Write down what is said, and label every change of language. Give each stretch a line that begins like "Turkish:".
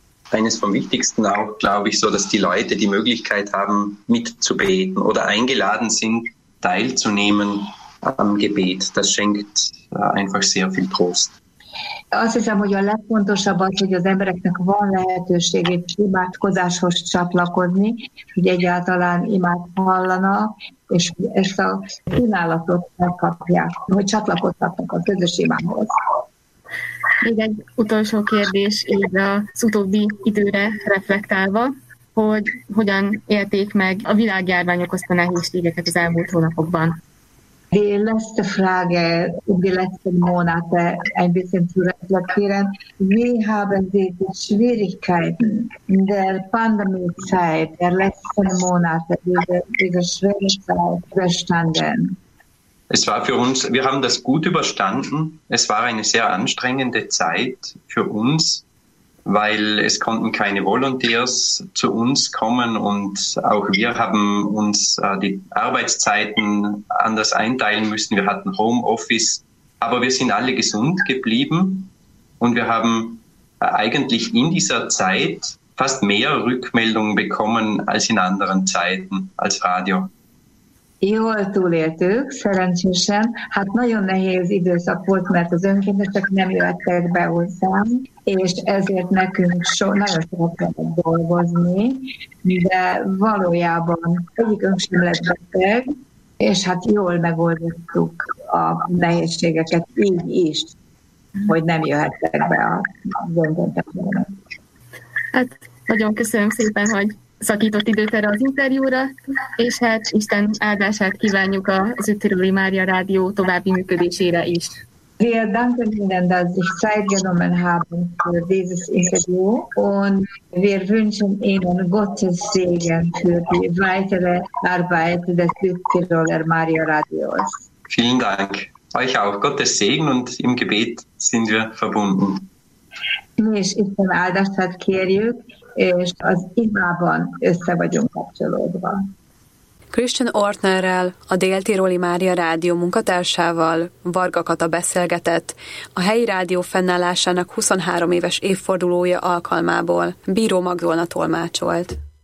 German: Eines vom Wichtigsten auch, glaube ich, so, dass die Leute die Möglichkeit haben, mitzubeten oder eingeladen sind, teilzunehmen am Gebet. Das schenkt einfach sehr viel Trost.
Hungarian: Azt hiszem, hogy a legfontosabb az, hogy az embereknek van lehetőségét imádkozáshoz csatlakozni, hogy egyáltalán imád hallanak, és ezt a kínálatot megkapják, hogy csatlakoztatnak a közös imához. Még egy utolsó kérdés, így az utóbbi időre reflektálva, hogy hogyan élték meg a világjárvány okozta nehézségeket az elmúlt hónapokban?
German: Die letzte Frage, die letzten Monate ein bisschen zu reflektieren. Wie haben Sie die Schwierigkeiten der Pandemiezeit, der letzten Monate, diese schwere Zeit überstanden? Es war für uns, wir haben das gut überstanden. Es war eine sehr anstrengende Zeit für uns, weil es konnten keine Volunteers zu uns kommen und auch wir haben uns die Arbeitszeiten anders einteilen müssen. Wir hatten Homeoffice, aber wir sind alle gesund geblieben und wir haben eigentlich in dieser Zeit fast mehr Rückmeldungen bekommen als in anderen Zeiten als Radio.
Hungarian: Jól túléltük, szerencsésen. Hát nagyon nehéz időszak volt, mert az önkéntesek nem jöttek be hozzám, és ezért nekünk nagyon sokat kellett dolgozni, de valójában egyikünk sem lett beteg, és hát jól megoldottuk a nehézségeket így is, hogy nem jöhettek be az önkénteseknek. Hát nagyon köszönöm szépen, hogy szakított időt erre az interjúra, és hát Isten áldását kívánjuk az Üttörőli Mária Rádió további működésére is.
German: Wir danken Ihnen, dass Sie Zeit genommen haben für dieses Interview und wir wünschen Ihnen Gottes Segen für die weitere Arbeit des Üttiroler Mario Radios. Vielen Dank. Euch auch Gottes Segen und im Gebet sind wir verbunden.
Hungarian: Mi is Isten áldását kérjük, és az imában össze vagyunk kapcsolódva. Christian Ortnerrel, a Dél-Tiroli Mária Rádió munkatársával Varga Kata beszélgetett a helyi rádió fennállásának 23 éves évfordulója alkalmából. Bíró Magdolna tolmácsolt.